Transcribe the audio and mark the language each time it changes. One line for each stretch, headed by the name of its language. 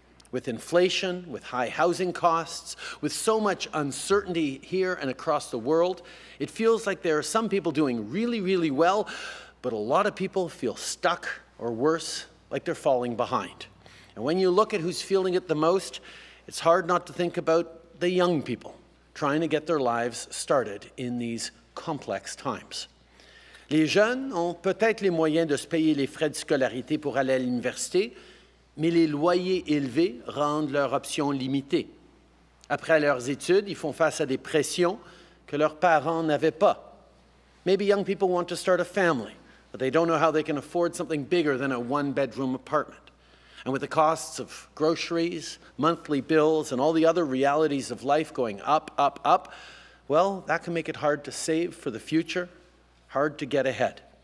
English: With inflation, with high housing costs, with so much uncertainty here and across the world, it feels like there are some people doing really, really well, but a lot of people feel stuck or worse, like they're falling behind. And when you look at who's feeling it the most, it's hard not to think about the young people trying to get their lives started in these complex times.
French: Les jeunes ont peut-être les moyens de se payer les frais de scolarité pour aller à l'université, mais les loyers élevés rendent leurs options limitées. Après leurs études, ils font face à des pressions que leurs parents n'avaient pas.
English: Maybe young people want to start a family, but they don't know how they can afford something bigger than a one-bedroom apartment. And with the costs of groceries, monthly bills, and all the other realities of life going up, up, up, well, that can make it hard to save for the future, hard to get ahead.